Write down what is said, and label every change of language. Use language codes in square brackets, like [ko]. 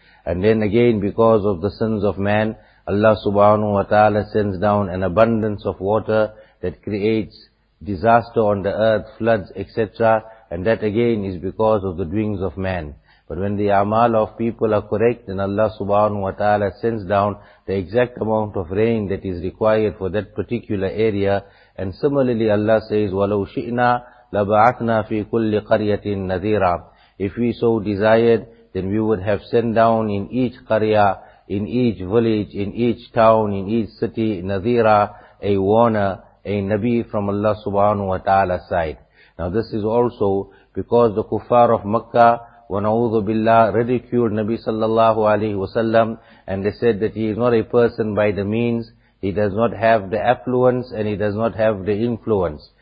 [en] And then again, because of the sins of man, Allah Subhanahu wa Ta'ala sends down an abundance of water that creates disaster on the earth, floods, etc. And that again is because of the doings of man. But when the amal of people are correct, then Allah Subhanahu wa Ta'ala sends down the exact amount of rain that is required for that particular area. And similarly Allah says, [ar] وَلَوْ شِئْنَا لَبَعَثْنَا فِي كُلِّ قَرْيَةٍ نَذِيرًا. [en] If we so desired, then we would have sent down in each qarya, in each village, in each town, in each city, nadhira, a warner, a Nabi from Allah Subhanahu wa Ta'ala's side. Now this is also because the Kuffar of Makkah, wa na'udhu billah, ridiculed Nabi Sallallahu Alaihi Wasallam and they said that he is not a person by the means, he does not have the affluence and he does not have the influence.